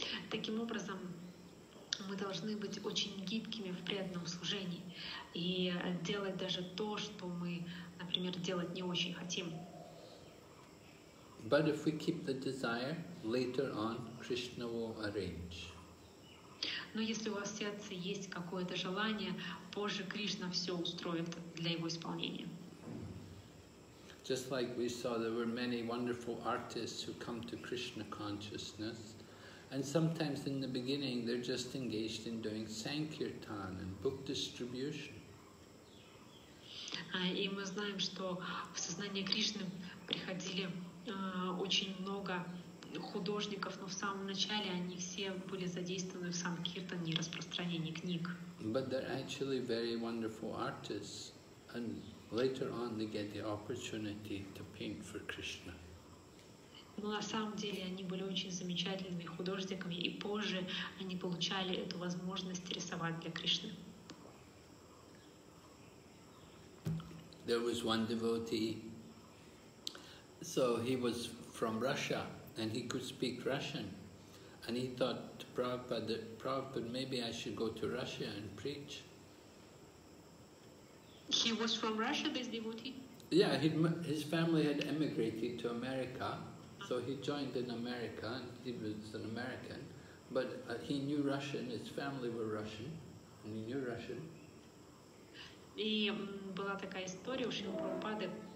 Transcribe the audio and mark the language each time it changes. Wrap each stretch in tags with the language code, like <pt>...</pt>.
<ru>Таким образом, мы должны быть очень гибкими в преданном служении и делать даже то, что мы, например, делать не очень хотим.</ru> <en>But if we keep the desire, later on Krishna will arrange.</en> <ru>Но если у вас в сердце есть какое-то желание, позже Кришна все устроит для его исполнения.</ru> <en>Just like we saw, there were many wonderful artists who come to Krishna consciousness. And sometimes in the beginning, they're just engaged in doing sankirtan and book distribution.</en> <ru>И мы знаем, что в сознание Кришны приходили очень много художников, но в самом начале они все были задействованы в санкиртане и распространении книг.</ru> <en>But they're actually very wonderful artists, and later on they get the opportunity to paint for Krishna.</en> <ru>Но на самом деле они были очень замечательными художниками, и позже они получали эту возможность рисовать для Кришны.</ru> <en>There was one devotee, so he was from Russia, and he could speak Russian. And he thought to Prabhupada, that Prabhupada, maybe I should go to Russia and preach. He was from Russia, this devotee? Yeah, his family had emigrated to America. So he joined in America, and he was an American, but he knew Russian, his family were Russian, and he knew Russian.</en> <ru>И была такая история у Шрилы Прабхупады.</ru>